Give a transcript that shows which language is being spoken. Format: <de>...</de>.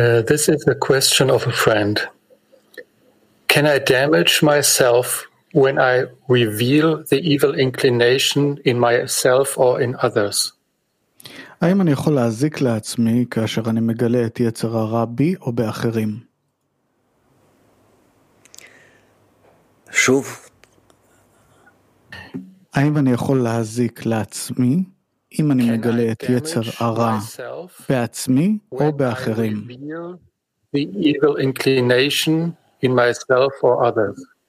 <en>This is a question of a friend. Can I damage myself when I reveal the evil inclination in myself or in others?</en> <he>האם אני יכול להזיק לעצמי כאשר אני מגלה את יצר הרע בי או באחרים? שוב. האם אני יכול להזיק לעצמי אם אני מגלה את יצר הרע בעצמי או באחרים?</he> <en>The evil inclination in myself or others.</en>